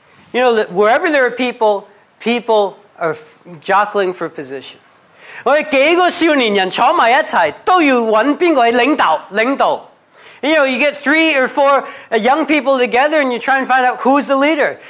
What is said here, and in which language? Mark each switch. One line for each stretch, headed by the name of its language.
English: You know, wherever there are people, people are jockeying for position.
Chinese: 我们几个少年人坐在一起，都要找谁是领导。
English: You know, you get three or four young people together and you try and find out who's the leader.